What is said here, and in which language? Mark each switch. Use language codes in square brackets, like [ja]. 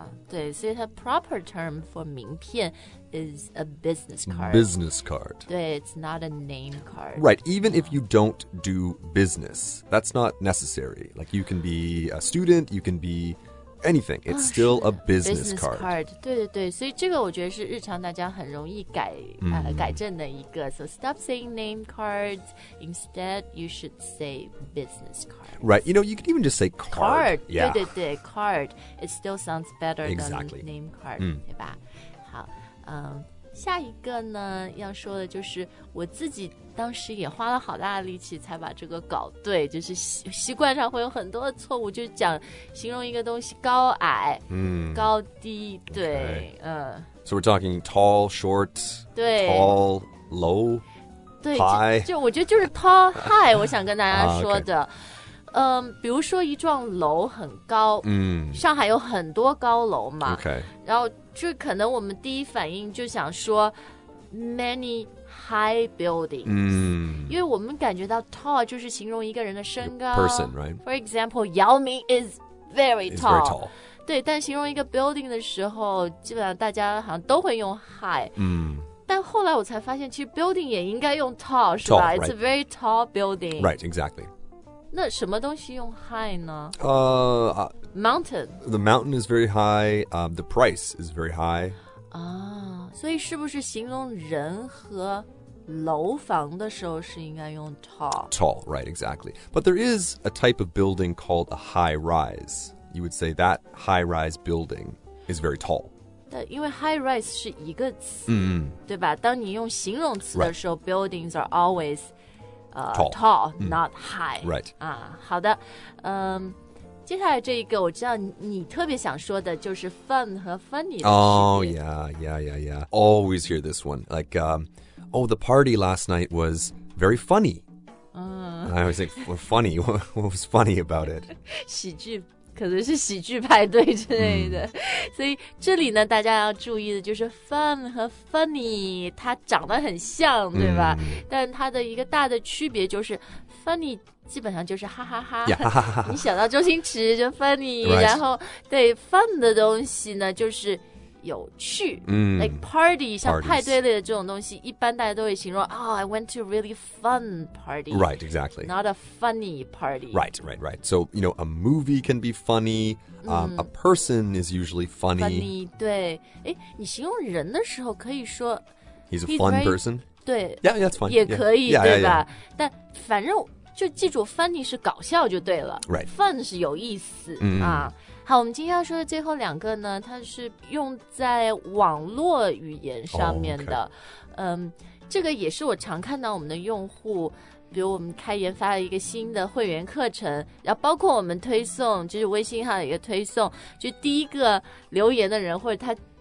[zh] 对所以它 [en] proper term for 名片 is a business card. Business card. 对 it's not a name card. Right, even if you don't do business, that's not necessary. Like you can be a student, you can be anything. It's still a business card. Business card. [zh] 对对对，所以这个我觉得是日常大家很容易改、改正的一个。 [en] So stop saying name cards. Instead, you should say business card. Right. You know, you could even just say card. Card. Yeah. [zh] 对对对 [en] card. It still sounds better、exactly. than name card,、 [zh] 对吧？好，下一个呢要说的就是我自己当时也花了好大的力气才把这个搞对就是 习惯上会有很多的错误就是讲形容一个东西高矮、高低对、 [en] okay. So we're talking tall, short, [zh] 对 [en] tall, low, [zh] 对 [en] high [zh] 就我觉得就是 tall, high 我想跟大家说的、比如说一幢楼很高、上海有很多高楼嘛、 [en] okay. [zh] 然后就可能我们第一反应就想说 [en] many high buildings、 [zh] 因为我们感觉到 tall 就是形容一个人的身高 [en] person, right? For example, Yao Ming is very tall, very tall. [zh] 对但形容一个 building 的时候基本上大家好像都会用 high、但后来我才发现其实 building 也应该用 tall, [en] tall [zh] 是吧、 [en] right. It's a very tall building Right, exactly [zh] 那什么东西用 high 呢？ [en] Mountain. The mountain is very high. The price is very high. [zh] 啊，所以是不是形容人和楼房的时候是应该用 tall? [en] Tall, right, exactly. But there is a type of building called a high rise. You would say that high rise building is very tall. [zh] 对，因为 high rise 是一个词，对吧？当你用形容词的时候 [en] right. buildings are always tall, not high. Right. [zh] 好的，接下来这一个我知道你特别想说的就是 fun 和 funny 的区别。 [en] Oh, yeah. Always hear this one. Like, the party last night was very funny. I always think, well, funny. What was funny about it? [zh] 喜剧，可能是喜剧派对之类的。所以这里呢，大家要注意的就是 fun 和 funny, 它长得很像，对吧？但它的一个大的区别就是 funny,基本上就是哈哈哈 [en] yeah, [zh] 你想到周星驰就 funny、 [en] right. [zh] 然后对 fun 的东西呢就是有趣、 [en] like party、 Parties. [zh] 像派对类的这种东西一般大家都会形容、 [en] I went to a really fun party Right, exactly Not a funny party Right So, you know, a movie can be funny、A person is usually funny [zh] Funny, 对你形容人的时候可以说 [en] He's a fun person [zh] 对 [en] Yeah, that's fine [zh] 也可以 [en] yeah. [zh] 对吧 [en] yeah, yeah, yeah. [zh] 但反正就记住 funny 是搞笑就对了 [en] right. [zh] fun 是有意思、好我们今天要说的最后两个呢它是用在网络语言上面的、这个也是我常看到我们的用户比如我们开研发了一个新的会员课程然后包括我们推送就是微信号的一个推送就第一个留言的人或者他